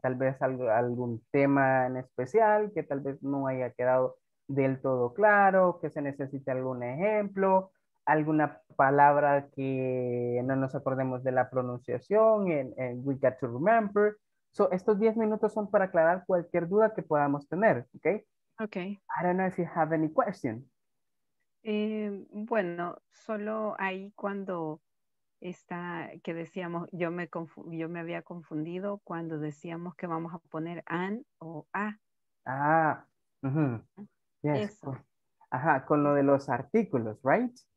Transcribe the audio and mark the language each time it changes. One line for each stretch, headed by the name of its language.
Spanish: Tal vez algún tema en especial que tal vez no haya quedado del todo claro, que se necesite algún ejemplo, alguna palabra que no nos acordemos de la pronunciación, en
English: we got to remember.
Spanish: So, estos 10 minutos son para aclarar cualquier duda que podamos tener, ¿ok? Ok.
English: I don't know if you have any question.
Spanish: Bueno, solo ahí cuando está, que decíamos, yo me había confundido cuando decíamos que vamos a poner an o a.
English: Ah, Yes.
Spanish: Eso. Ajá, con lo de los artículos, right?